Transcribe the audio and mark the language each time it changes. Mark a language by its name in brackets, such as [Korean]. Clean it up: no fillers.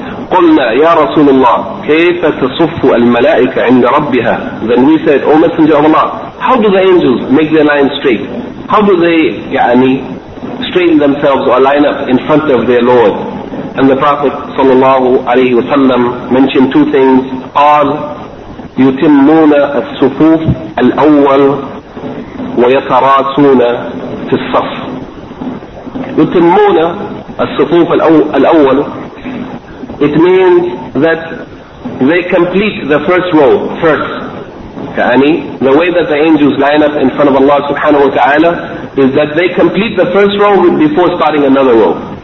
[Arabic] قلنا يا رسول الله كيف تصف الملائكة عند ربها. [English] Then we said, O Messenger of Allah, how do the angels make their lines straight? How do they يعني straighten themselves or line up in front of their Lord? And the Prophet صلى الله عليه وسلم mentioned two things. [Arabic] قال يتمون الصفوف الأول ويتراسون في الصف. يتمون الصفوف الأول, [English] it means that they complete the first row first. يعني, the way that the angels line up in front of Allah subhanahu wa ta'ala is that they complete the first row before starting another row.